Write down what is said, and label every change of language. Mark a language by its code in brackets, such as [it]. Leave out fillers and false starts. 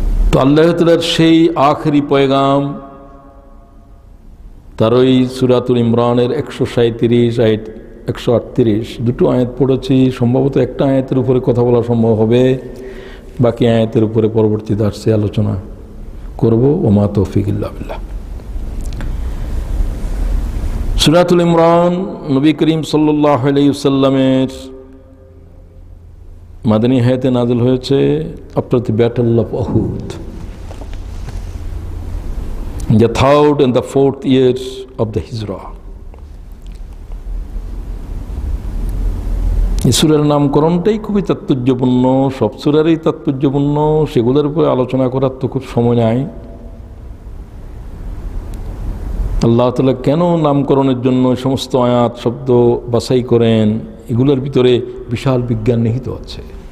[bn] তো আল্লাহ তাআলার সেই আখেরি পয়গাম তার ওই সূরাতুল ইমরানের 137 আয়াত 138 দুটো আয়াত পড়েছি, সম্ভবত একটা আয়াতের উপরে কথা বলা সম্ভব হবে, বাকি আয়াতের উপরে পরবর্তী দার্সে আলোচনা করব। [ar] ওমা তৌফিক ইল্লা বিল্লাহ। [bn] সূরাতুল ইমরান নবী করিম সাল্লাল্লাহু আলাইহি ওয়াসাল্লামের মাদানী হায়াতে নাজিল হয়েছে [en] After the battle of Uhud. in the third and the fourth years of the Hijra. [bn] ঈশ্বরের নামকরণটাই খুবই তাৎপর্যপূর্ণ, সব সুরারই তাৎপর্যপূর্ণ, সেগুলোর উপরে আলোচনা করার তো খুব সময় নাই। আল্লাহ তাআলা কেন নামকরণের জন্য সমস্ত আয়াত শব্দ বাছাই করেন, এগুলোর ভিতরে বিশাল বিজ্ঞান নিহিত আছে।